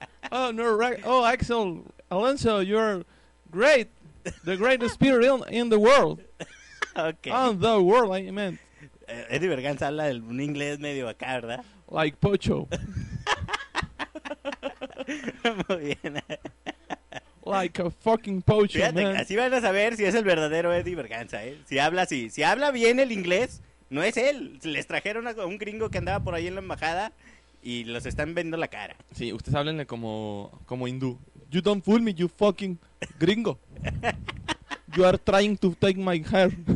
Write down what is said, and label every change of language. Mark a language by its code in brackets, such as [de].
[en] Axel Alonso, you're great. The greatest spirit in the world. Okay. On the world, I mean. [es] Eddie Verganza habla un inglés medio acá, ¿verdad? [en] Like Pocho. [es] Muy bien. [en] Like a fucking poacher. [es] Fíjate, [en] man. [es] Así van a saber si es el verdadero Eddie Verganza, ¿eh? Si habla así, si habla bien el inglés, no es él. Les trajeron a un gringo que andaba por ahí en la embajada y los están viendo la cara. Sí, ustedes háblenle como hindú. [en] You don't fool me, you fucking gringo. You are trying to take my hair.